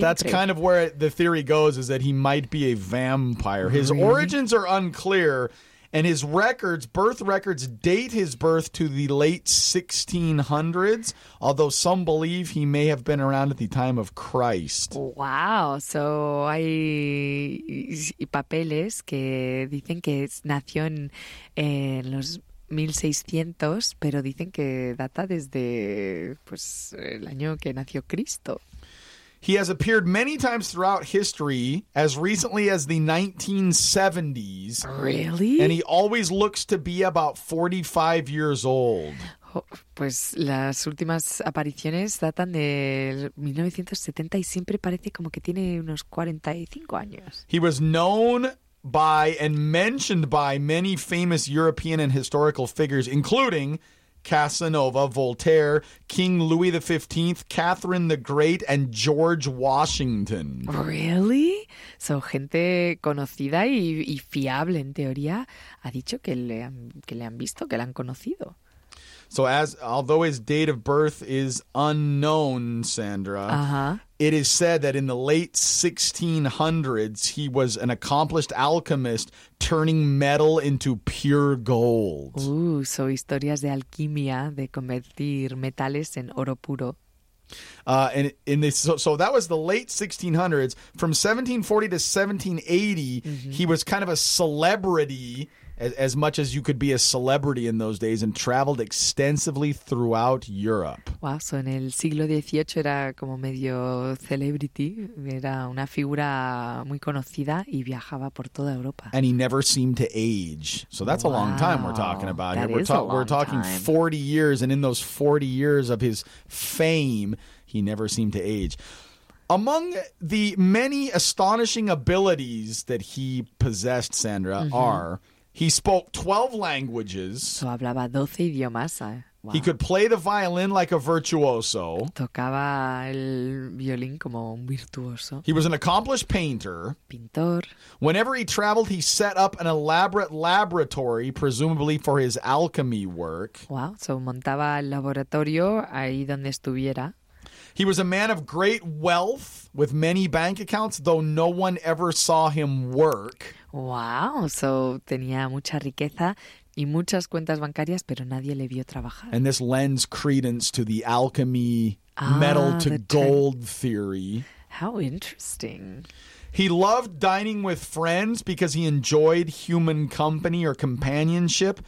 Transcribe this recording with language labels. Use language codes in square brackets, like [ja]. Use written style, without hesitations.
[en] That's kind of where the theory goes, is that he might be a vampire. His really? Origins are unclear, and his records, birth records, date his birth to the late 1600s, although some believe he may have been around at the time of Christ. Wow. [es] So hay papeles que dicen que nació en los 1600, pero dicen que data desde pues el año que nació Cristo. [en] He has appeared many times throughout history, as recently as the 1970s. Really? And he always looks to be about 45 years old. [es] Pues las últimas apariciones datan de 1970 y siempre parece como que tiene unos 45 años. [en] He was known by and mentioned by many famous European and historical figures, including Casanova, Voltaire, King Louis XV, Catherine the Great, and George Washington. Really? [es] So, gente conocida y fiable, en teoría, ha dicho que le han visto, que le han conocido. [en] So, although his date of birth is unknown, Sandra, it is said that in the late 1600s, he was an accomplished alchemist turning metal into pure gold. [es] Ooh, so historias de alquimia, de convertir metales en oro puro. [en] So that was the late 1600s. From 1740 to 1780, he was kind of a celebrity, as much as you could be a celebrity in those days, and traveled extensively throughout Europe. [es] Wow, so en el siglo XVIII era como medio celebrity, era una figura muy conocida y viajaba por toda Europa. [en] And he never seemed to age. So that's wow. A long time we're talking about that here. We're talking 40 years, and in those 40 years of his fame, he never seemed to age. Among the many astonishing abilities that he possessed, Sandra, are... He spoke 12 languages. [es] So hablaba 12 idiomas. Wow. [en] He could play the violin like a virtuoso. [es] Tocaba el violín como un virtuoso. [en] He was an accomplished painter. [es] Pintor. [en] Whenever he traveled, he set up an elaborate laboratory, presumably for his alchemy work. [es] Wow, so montaba el laboratorio ahí donde estuviera. [en] He was a man of great wealth with many bank accounts, though no one ever saw him work. [es] Wow, so tenía mucha riqueza y muchas cuentas bancarias, pero nadie le vio trabajar. [en] And this lends credence to the alchemy metal to gold theory. How interesting. He loved dining with friends because he enjoyed human company or companionship.